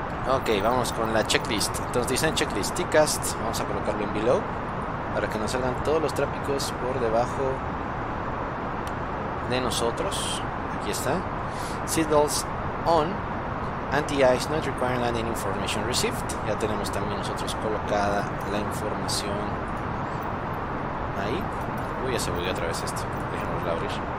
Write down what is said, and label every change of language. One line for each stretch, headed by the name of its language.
Spanish: Ok, vamos con la checklist. Entonces dicen checklist TCAST. Vamos a colocarlo en below para que nos salgan todos los tráficos por debajo de nosotros. Aquí está.
English: Seatbelts on. Anti-ice not requiring landing information received.
Spanish: Ya tenemos también nosotros colocada la información ahí. Uy, ya se volvió otra vez esto. Déjenosla abrir.